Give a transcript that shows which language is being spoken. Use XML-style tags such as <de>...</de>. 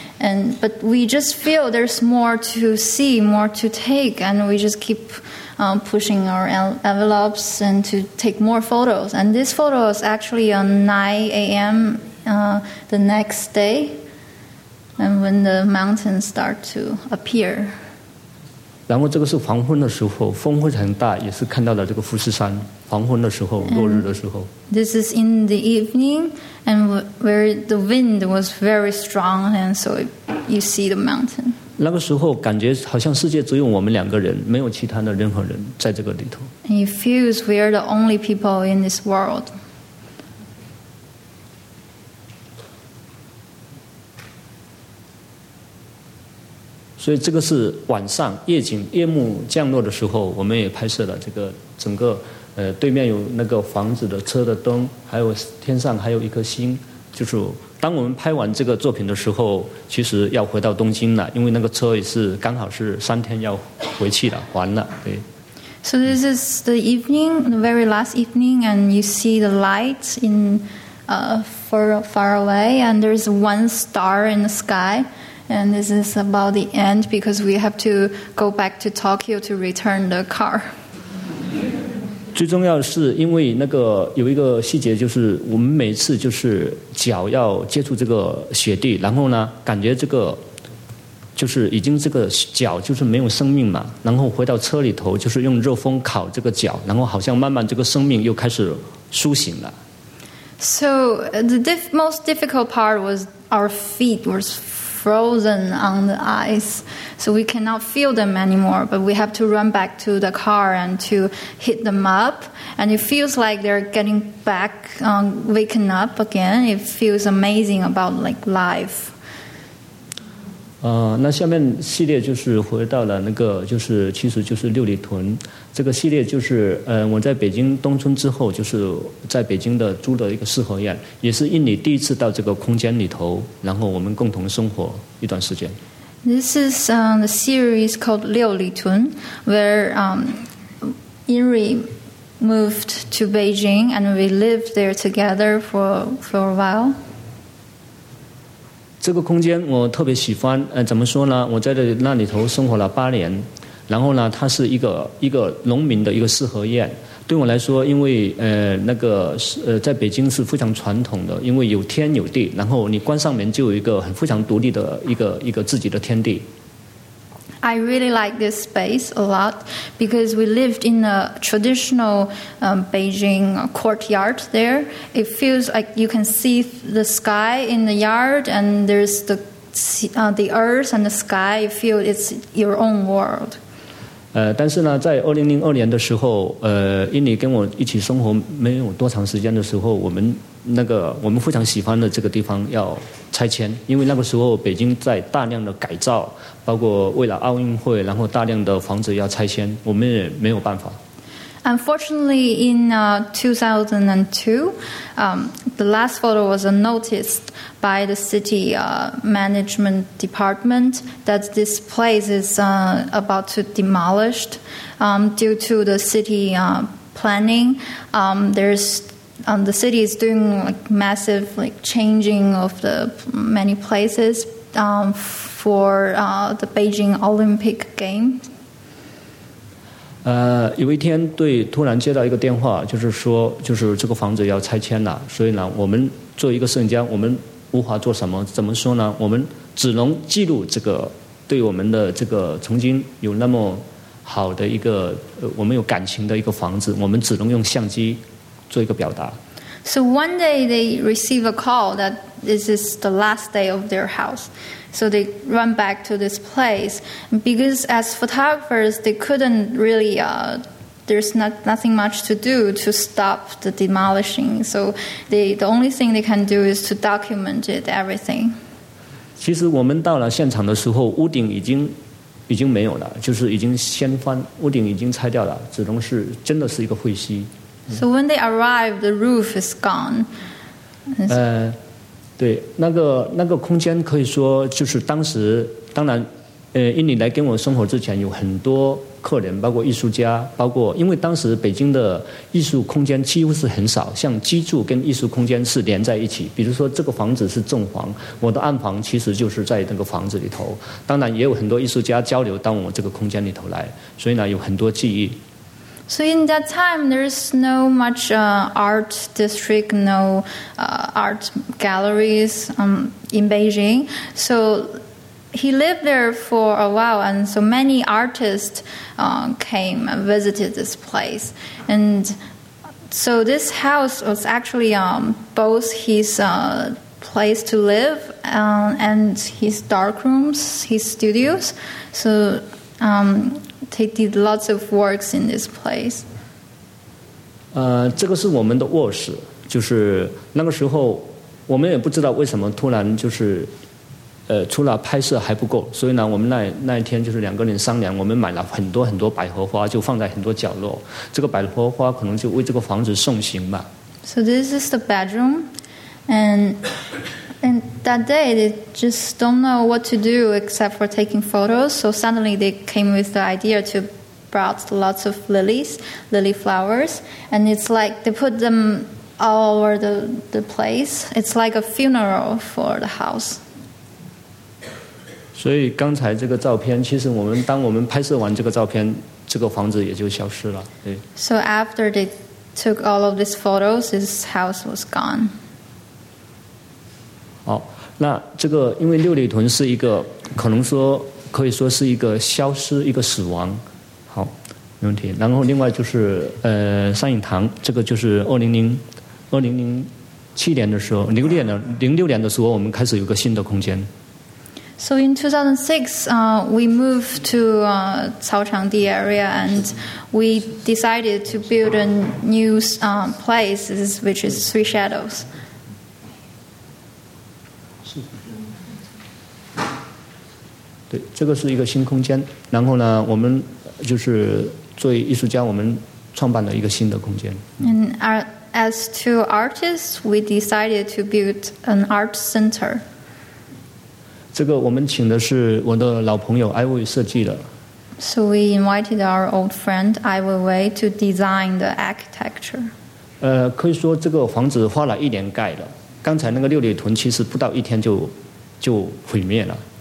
<en>But we just feel there's more to see, more to take, and we just keep pushing our envelopes and to take more photos. And this photo is actually on 9 a.m. The next day, and when the mountains start to appear.</en> <zh>然后这个是黄昏的时候，风非常大，也是看到了这个富士山。黄昏的时候，落日的时候。</zh> <en>And、this is in the evening, and where the wind was very strong, and so you see the mountain.</en> <zh>那个时候感觉好像世界只有我们两个人，没有其他的任何人在这个里头。</zh> <en>And it feels we are the only people in this world.</en> <zh>所以这个是晚上夜景，夜幕降落的时候，我们也拍摄了这个整个，对面有那个房子的车的灯，还有天上还有一颗星。就是当我们拍完这个作品的时候，其实要回到东京了，因为那个车也是刚好是3天要回去了，还了。对。</zh> <en>So this is the evening, the very last evening, and you see the lights in, far away, and there's one star in the sky. And this is about the end because we have to go back to Tokyo to return the car.</en> <zh>最重要是因为那个有一个细节，就是我们每次就是脚要接触这个雪地，然后呢，感觉这个就是已经这个脚就是没有生命嘛，然后回到车里头就是用热风烤这个脚，然后好像慢慢这个生命又开始苏醒了。</zh> <en>So the most difficult part was our feet were frozen on the ice, so we cannot feel them anymore, but we have to run back to the car and to hit them up, and it feels like they're getting back, waking up again. It feels amazing about like life.</en> <zh>那下面系列就是回到了那个，就是其实就是六里屯这个系列，就是我在北京东村之后，就是在北京的租的一个四合院，也是印尼第一次到这个空间里头，然后我们共同生活一段时间。</zh> <en>This is the series called 六里屯 where Inri moved to Beijing and we lived there together for a while.</en> <zh>这个空间我特别喜欢，怎么说呢？我在那里头生活了8年，然后呢，它是一个农民的一个四合院。对我来说，因为那个在北京是非常传统的，因为有天有地，然后你关上门就有一个很非常独立的一个自己的天地。</zh> <en>I really like this space a lot because we lived in a traditional Beijing courtyard there. It feels like you can see the sky in the yard and there's the earth and the sky. You feel it's your own world.</en> <zh>但是呢，在2002年的时候，印尼跟我一起生活没有多长时间的时候，我们非常喜欢的这个地方要拆迁，因为那个时候北京在大量的改造，包括为了奥运会，然后大量的房子要拆迁，我们也没有办法。</zh> <en>Unfortunately, in 2002, the last photo was noticed by the city management department that this place is about to be demolished due to the city planning. The city is doing massive changing of the many places for the Beijing Olympic Games.</en> <zh>有一天对突然接到一个电话，就是说就是这个房子要拆迁了，所以呢我们做一个摄影家，我们无法做什么，怎么说呢，我们只能记录这个对我们的这个曾经有那么好的一个我们有感情的一个房子，我们只能用相机做一个表达。</zh> <en>So one day they receive a call that this is the last day of their house. So they run back to this place. Because as photographers, they couldn't really, there's nothing much to do to stop the demolishing. So the only thing they can do is to document it, everything.</en> <zh>其实我们到了现场的时候，屋顶已经没有了，就是已经掀翻，屋顶已经拆掉了，只能是真的是一个废墟。</zh> <en>So when they arrive, the roof is gone.</en> <zh>对，那个空间可以说就是当时，当然，印尼来跟我生活之前有很多客人，包括艺术家，包括因为当时北京的艺术空间几乎是很少，像居住跟艺术空间是连在一起。比如说这个房子是正房，我的暗房其实就是在那个房子里头。当然也有很多艺术家交流到我这个空间里头来，所以呢有很多记忆。</zh> <en>So in that time, there is no much art district, no art galleries in Beijing. So he lived there for a while, and so many artists came and visited this place. And so this house was actually both his place to live and his dark rooms, his studios. So... They did lots of works in this place.</en> <zh>这个是我们的卧室，就是那个时候，我们也不知道为什么突然就是，除了拍摄还不够，所以呢，我们那一天就是两个人商量，我们买了很多很多百合花，就放在很多角落。这个百合花可能就为这个房子送行吧。</zh> <en>So this is the bedroom, and that day, they just don't know what to do except for taking photos. So suddenly, they came with the idea to brought lots of lilies, lily flowers. And it's like they put them all over the place. It's like a funeral for the house.</en> <zh>所以刚才这个照片，其实我们当我们拍摄完这个照片，这个房子也就消失了。对。</zh> <en>So after they took all of these photos, this house was gone.</en> <zh>好，那这个因为六里屯是一个可能说可以说是一个消失一个死亡，好，没问题。然后另外就是上影堂，这个就是2007年的时候，06年的时候我们开始有个新的空间。</zh> <en>So in 2006, we moved to Cao Changdi area, and we decided to build a new place, which is Three Shadows.</en> <zh>对，这个是一个新空间，然后呢我们就是作为艺术家我们创办了一个新的空间。</zh> <en>And as to artists, we decided to build an art center.</en> <zh>这个我们请的是我的老朋友 Ai Wei 设计的。</zh> <en>So we invited our old friend Ai Weiwei to design the architecture.</en> <zh>可以说这个房子花了一年盖的，刚才那个六里屯其实不到一天就毁灭了。</zh>